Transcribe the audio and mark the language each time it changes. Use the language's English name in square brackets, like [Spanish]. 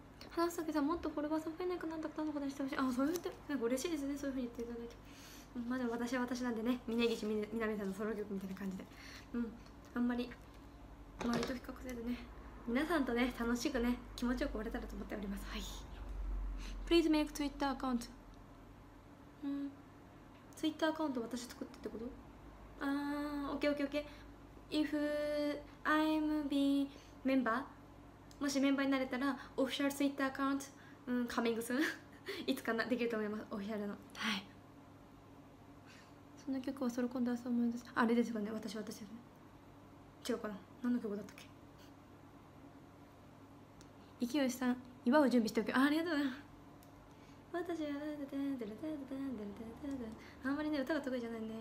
[Japanese] 花咲さん、もっとフォロワーさん増えないかなんとか、何とかしてほしい、あ、そう言ってなんか嬉しいですね、そういう風に言っていただいて、まあでも私は私なんでね、峯岸みなみさんのソロ曲みたいな感じで、うん、あんまり周りと比較せずね、皆さんとね、楽しくね、気持ちよく終われたらと思っております。 [English] はい。Please make Twitter account。 うん。 [Japanese] Twitter account 私作ってってこと？あー、OKOKOK。 [English] If I'm be member、 [Japanese] もしメンバーになれたら、 [English] Official Twitter account、coming soon。 [Japanese] いつかな、できると思います、Official の。はい。その曲はソロコンダースを思い出す。あれですかね、私ですよね。違うかな。何の曲だったっけ？勢いさん、祝う準備しておく、あ、ありがとうございます。私はダダダダダダダダダダ、あんまりね、歌が得意じゃないね。